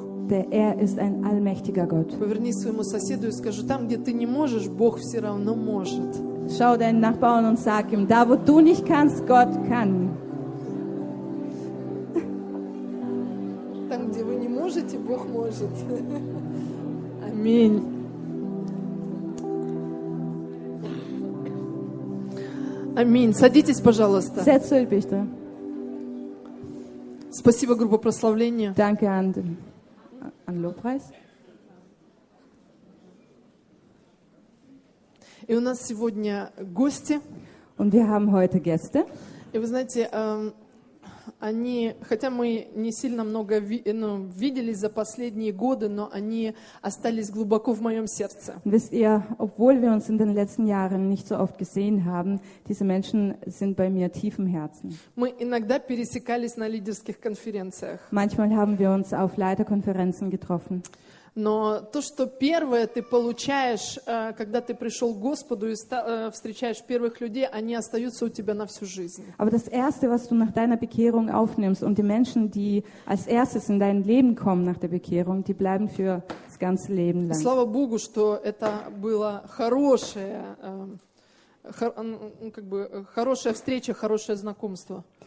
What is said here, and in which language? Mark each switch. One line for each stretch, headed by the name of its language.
German: Denn er ist ein allmächtiger Gott.
Russian: Повернись своему соседу и скажи, там, где ты не можешь, Бог все равно может.
German: Schau deinen Nachbarn und sag ihm, da wo du nicht kannst, Gott kann.
Russian: Там, где вы не можете, Бог может. Аминь. Аминь. Садитесь, пожалуйста.
German: Setz euch bitte.
Russian: Спасибо, группа прославления.
German: Danke, Anden. an Lobpreis.
Russian: И у нас сегодня гости.
German: Und wir haben heute Gäste.
Russian: И вы знаете, они, хотя мы не сильно много виделись за последние годы, но они остались глубоко в моем сердце.
German: Wisst ihr, obwohl wir uns in den letzten Jahren nicht so oft gesehen haben, diese Menschen sind bei mir tief im Herzen.
Russian: Мы иногда пересекались на лидерских конференциях.
German: Manchmal haben wir uns auf Leiterkonferenzen getroffen.
Russian: Но то, что первое ты получаешь, когда ты пришел к Господу и встречаешь первых людей, они остаются у тебя на всю жизнь.
German: Aber das Erste, was du nach deiner Bekehrung aufnimmst und die Menschen, die als Erstes in dein Leben kommen nach der Bekehrung, die bleiben für das ganze Leben lang.
Russian: Слава Богу, что это было хорошее, как бы хорошая встреча, хорошее знакомство.